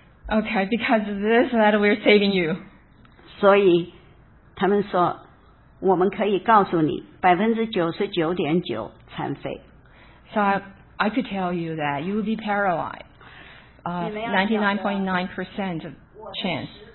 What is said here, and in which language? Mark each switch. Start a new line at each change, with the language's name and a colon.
English: Okay, because of this, that we're saving you.
Chinese: 所以他们说我们可以告诉你 99.9% 残废。
English: So I could tell you that you will be paralyzed 99.9% of chance.